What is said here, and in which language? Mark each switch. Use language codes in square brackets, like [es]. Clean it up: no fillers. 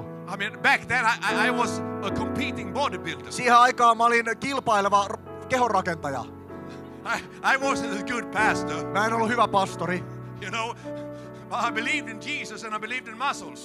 [en] I mean, back then I was a competing bodybuilder. [fi] Siihen aikaan mä olin kilpaileva kehonrakentaja. [en] I wasn't a good pastor. [fi] Mä en ollut hyvä pastori. [en] You know, but I believed in Jesus and I believed in muscles.